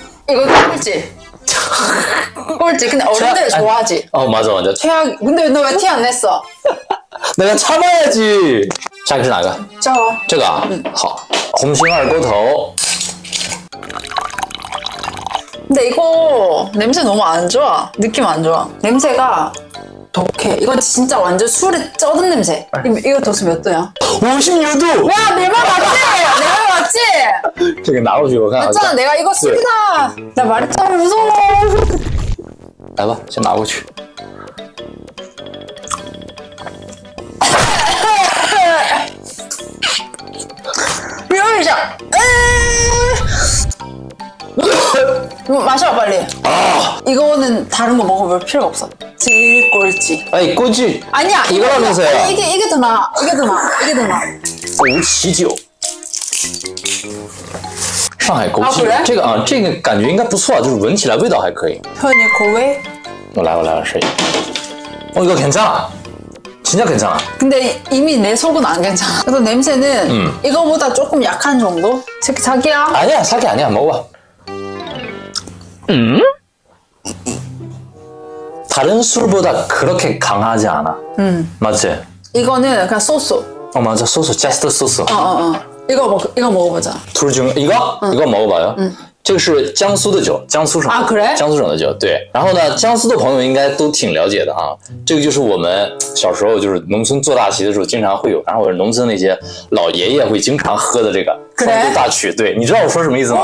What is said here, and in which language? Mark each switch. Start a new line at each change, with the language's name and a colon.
Korean: 이거꿀지꿀지근데어른들좋아하지 어맞아맞아 최악근데너왜티안냈어 내가참아야지자이거
Chinese: 哪个
Korean: 자와
Chinese: 这个啊好红星二锅头
Korean: 근데이거냄새너무안좋아느낌안좋아냄새가독해이건진짜완전술에쩌는냄새 이거도수몇도야 56도 야내말맞지내말맞지 저기나눠주고 괜찮아내가이거술이다나말했잖아무서워
Chinese: 来吧先拿过去
Korean: 미워이자마셔봐빨리이거는다른거먹어볼필요가없어제일꼴찌 아니꼴찌 아니야 이거라면서요 이게더나이게더나이게더나
Chinese: 枸杞酒上海枸杞酒这个啊这个感觉应该不错就是闻起来味道还可以喝你口味我来我来我试一下哦
Korean: 이거괜찮아진짜괜찮아 근데이미내속은안괜찮아그래서냄새는이거보다조금약한정도새끼자기야 아니야자기아니야먹어봐다른술보다그렇게강하지않아맞지 이거는그냥소스 어맞아소스 just 소스 이거먹어보자 둘중이거이거먹어봐요
Chinese: 这个是江苏的酒江苏省
Korean: 啊그래
Chinese: 江苏省的酒对然后呢江苏的朋友应该都挺了解的啊这个就是我们小时候就是农村做大席的时候经常会有然后农村那些老爷爷会经常喝的这个双沟大曲对你知道我说什么意思吗